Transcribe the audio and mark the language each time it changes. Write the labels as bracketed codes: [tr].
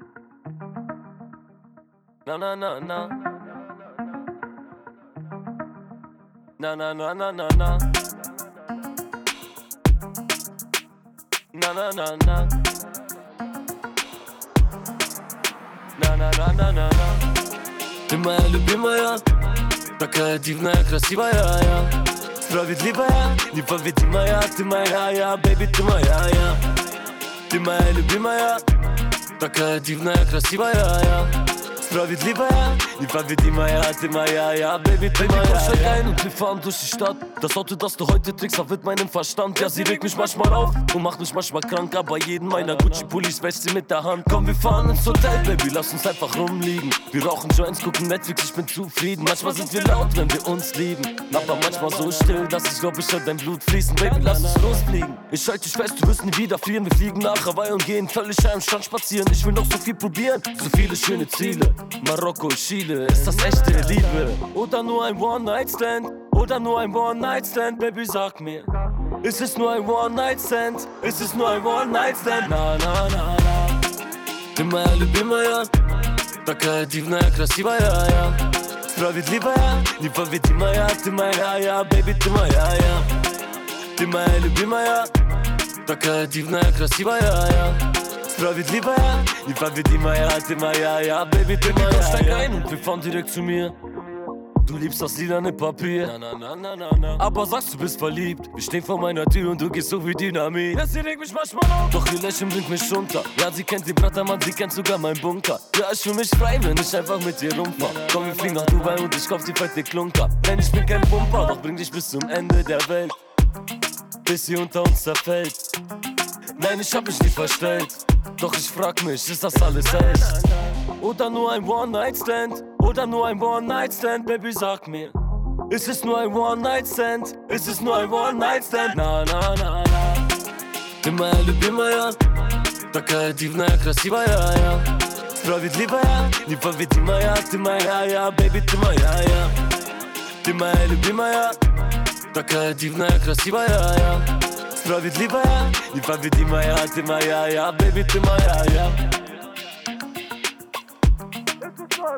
[ru] na na na na na na na na na na na na na na na na na na na na Ты моя любимая, такая дивная, красивая я. Справедливая, непобедимая, ты моя я, baby, ты моя я. Ты моя любимая, такая дивная, красивая я. Справедливая, непобедимая, ты моя я, baby, ты моя я. Baby, [de] komm schon rein und wir fahren durch die Stadt. Das Auto, das du heute trägst, verwirrt meinen Verstand. Ja, sie regt mich manchmal auf und macht mich manchmal krank. Aber jeden meiner Gucci-Pullis wäscht sie mit der Hand. Komm, wir fahren ins Hotel, baby, lass uns einfach rumliegen. Wir rauchen Joints, gucken Netflix, ich bin zufrieden. Manchmal sind wir laut, wenn wir uns lieben. Aber manchmal so still, dass ich glaub, ich hör dein Blut fließen. Baby, lass uns losfliegen. Ich halte dich fest, du wirst nie wieder frieren. Wir fliegen nach Hawaii und gehen völlig am Strand spazieren. Ich will noch so viel probieren, so viele schöne Ziele. Marokko, Chile, ist das echte Liebe? Oder nur ein One-Night-Stand? Oder nur ein One-Night-Stand? Baby, sag mir, ist es nur ein One-Night-Stand? Ist es nur ein One-Night-Stand? Na, na, na, na. [ru] Ты моя любимая, такая дивная, красивая, я. Справедливая, непобедимая, ты моя, я. Baby, ты моя, я. Ты моя любимая, такая дивная, красивая, я. Справедливая, непобедимая, ты моя, я, baby, ты моя. [en] Baby, [de] steig rein und wir fahren direkt zu mir. Du liebst das lilane Papier. Na, na, na, na, na, na. Aber sagst, du bist verliebt. Wir stehen vor meiner Tür und du gehst so wie Dynamit. Ja, sie regt mich manchmal auf. Doch ihr Lächeln bringt mich runter. Ja, sie kennt den Brattermann, sie kennt sogar meinen Bunker. Ja, ich fühl mich frei, wenn ich einfach mit dir rumfahr. Komm, wir fliegen nach Dubai und ich kauf die fette Klunker. Denn ich bin kein Pumper, doch bring dich bis zum Ende der Welt. Bis sie unter uns zerfällt. Nein, ich hab mich nie verstellt. Doch ich frag mich, ist das alles echt? Oder nur ein One-Night-Stand? Oder nur ein One-Night-Stand? Baby, sag mir, ist es nur ein One-Night-Stand? Ist es nur ein One-Night-Stand? Na, na, na, na. [ru] Ты моя любимая, такая дивная, красивая, я. Справедливая, непобедимая, ты моя, я. Baby, ты моя, я. Ты моя любимая, такая дивная, красивая, я. Справедливая, непобедимая, ты моя, я, baby, ты моя, я.